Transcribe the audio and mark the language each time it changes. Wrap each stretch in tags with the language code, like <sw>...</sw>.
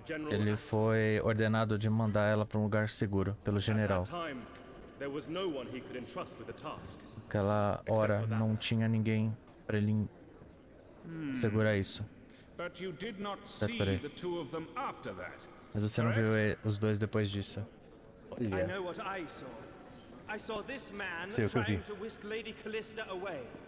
<pt>Ele foi ordenado de mandar ela para um lugar seguro, pelo general.</pt> <en>There was no one he could entrust with the task.</en> <pt>Aquela hora não tinha ninguém para ele segurar isso.</pt> <en>But you did not see the two of them after that.</en> <pt>Mas você não viu os dois depois disso. Olha.</pt> <en>I know what I saw. I saw this man trying to whisk Lady Callista away.</en>